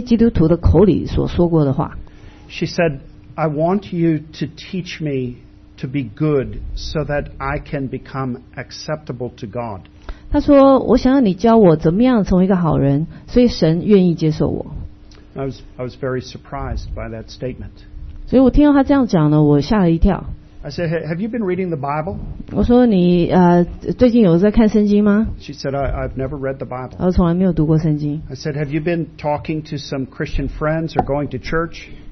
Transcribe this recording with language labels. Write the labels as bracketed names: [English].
[Chinese] 她说了一句呢，我从来没有在非基督徒的口里所说过的话。 [English] She said, I want you to teach me to be good so that I can become acceptable to God. [Chinese] 她说，我想要你教我怎么样成为一个好人，所以神愿意接受我。 [English] I was very surprised by that statement. [Chinese] 所以我听到他这样讲呢，我吓了一跳。 [English] I said, have you been reading the Bible? [Chinese] 我说你最近有在看圣经吗? [English] She said, I've never read the Bible. [Chinese] 我从来没有读过圣经。 [English] I said, have you been talking to some Christian friends or going to church?